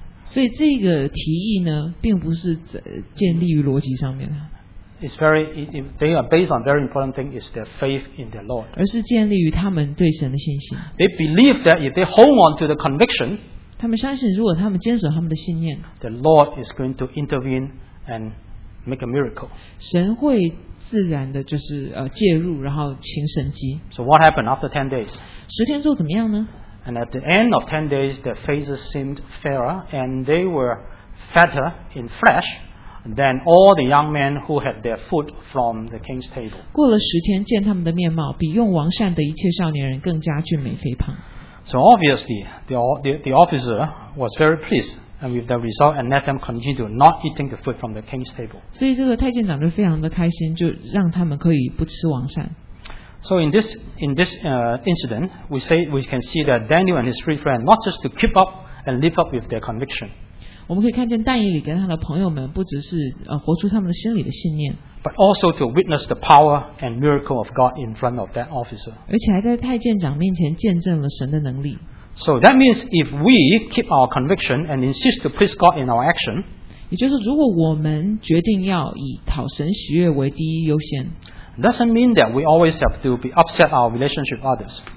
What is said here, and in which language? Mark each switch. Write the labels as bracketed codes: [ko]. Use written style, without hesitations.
[zh] 所以这个提议呢，并不是建立于逻辑上面的。 [en] It's very, they are based on very important thing is their faith in their Lord. [zh] 而是建立于他们对神的信心。 [en] They believe that if they hold on to the conviction, [zh] 他们相信如果他们坚守他们的信念 [en] ，the Lord is going to intervene and. Make a miracle. [zh] 神会自然的就是介入，然后行神迹。 [en] So what happened after 10 days? [zh] 十天之后怎么样呢 [en] ？And at the end of 10 days, their faces seemed fairer, and they were fatter in flesh than all the young men who had their food from the king's table. [zh] 过了十天，见他们的面貌比用王膳的一切少年人更加俊美肥胖。 [en] So obviously, the officer was very pleased. And with the result, and let them continue not eating the food from the king's table. [zh] 所以这个太监长就非常的开心，就让他们可以不吃王膳。 [en] So in this incident, we can see that Daniel and his three friends not just to keep up and live up with their conviction. [zh] 我们可以看见但以理跟他的朋友们不只是活出他们的心里的信念 [en] ，but also to witness the power and miracle of God in front of that officer. [zh] 而且还在太监长面前见证了神的能力。 [en] So that means if we keep our conviction and insist to please God in our action, [zh] 也就是如果我们决定要以讨神喜悦为第一优先 [en] doesn't mean that we always have to be upset our relationship with others.